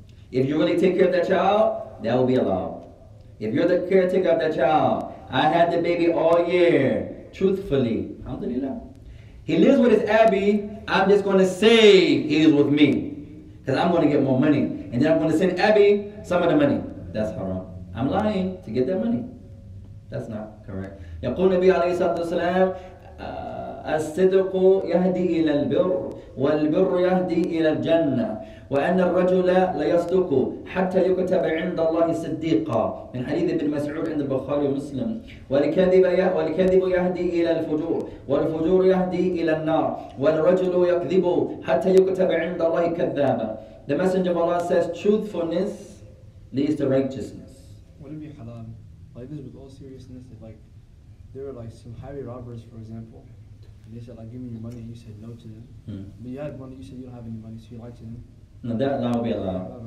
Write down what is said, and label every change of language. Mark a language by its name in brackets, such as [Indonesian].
[English] If you really take care of that child, that will be allowed. If you're the caretaker of that child, I had the baby all year, truthfully, alhamdulillah. He lives with his abbey, I'm just gonna say he is with me. Because I'm gonna get more money. And then I'm gonna send abbey some of the money. That's haram. I'm lying to get that money. That's not correct. [Arabic] يقول النبي عليه الصلاة والسلام الصدق يهدي إلى البر والبر يهدي إلى الجنة وأن الرجل لا يصدق حتى يكتب عند الله صديقا من حديث ابن مسعود عند البخاري ومسلم والكذب يهدي إلى الفجور والفجور يهدي إلى النار والرجل يكذب حتى يكتب عند الله كذابا. [English] The Messenger of Allah says truthfulness leads to righteousness. Would it be halal? Like this with all seriousness, if like there were like some highway robbers, for example, and they said like give me your money and you said no to them. Mm. But you had money, you said you don't have any money, so you lied to them. No, that would be halal.